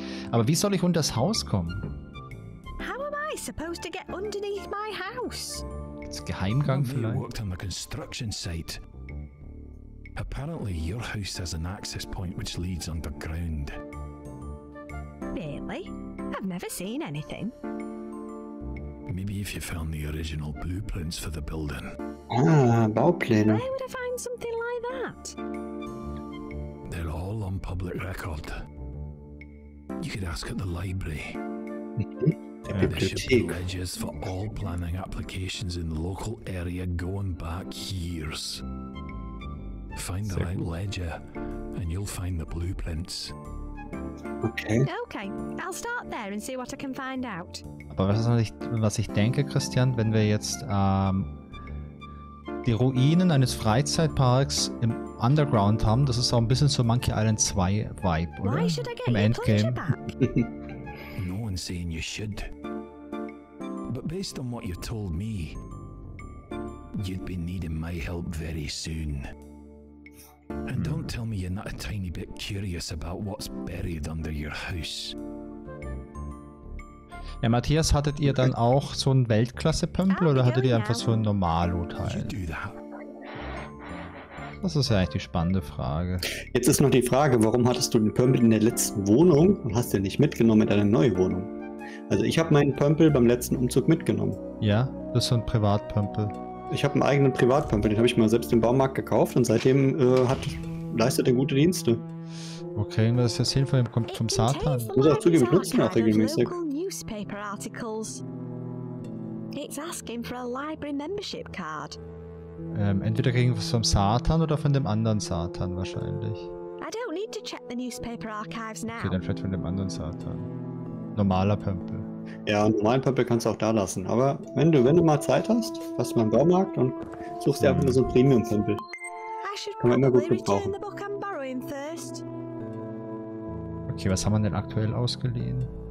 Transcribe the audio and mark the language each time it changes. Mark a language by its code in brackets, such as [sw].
[de] Aber wie soll ich unter das Haus kommen? [en] How am I supposed to get underneath my house? [de] Gibt's Geheimgang vielleicht? [en] Worked on the construction site. Apparently, your house has an access point which leads underground. Really? I've never seen anything. Maybe if you found the original blueprints for the building. [de] Ah, Baupläne. [en] Where would I find something like that? They're all on public record. You could ask at the library. Mm-hmm. There should be ledgers for all planning applications in the local area going back years. Find the right ledger, and you'll find the blueprints. Okay, I'll start there and see what I can find out. [de] Aber was ich denke, Christian, wenn wir jetzt die Ruinen eines Freizeitparks im Underground haben, das ist auch ein bisschen so Monkey Island 2 Vibe, oder? [en] Why should I get Im Endgame. No one's saying you should. But based on what you told me, you'd be needing my help very soon. And don't tell me you're not a tiny bit curious about what's buried under your house. [de] Ja, Matthias, hattet ihr dann auch so einen Weltklasse-Pömpel oder hattet ihr einfach so ein Normalo-Teil? Das ist ja eigentlich die spannende Frage. Jetzt ist noch die Frage, warum hattest du den Pömpel in der letzten Wohnung und hast den nicht mitgenommen in deine neue Wohnung? Also ich habe meinen Pömpel beim letzten Umzug mitgenommen. Ja, das ist so ein Privatpömpel. Ich habe einen eigenen Privatpömpel, den habe ich mal selbst im Baumarkt gekauft und seitdem leistet er gute Dienste. Okay, das ist jetzt hinfällig, kommt vom Satan. Ich muss auch zugeben, ich nutze ihn auch regelmäßig. [en] It's asking for a library membership card. [de] Entweder kriegen wir es vom Satan oder von dem anderen Satan wahrscheinlich. [en] I don't need to check the newspaper archives now. [de] Okay, dann vielleicht von dem anderen Satan. Normaler Pömpel. Ja, und normalen Pömpel kannst du auch da lassen. Aber wenn du mal Zeit hast, fährst du mal im Baumarkt und suchst dir einfach nur so einen Premium-Pömpel. Kann man immer gut gebrauchen. Okay, was haben wir denn aktuell ausgeliehen?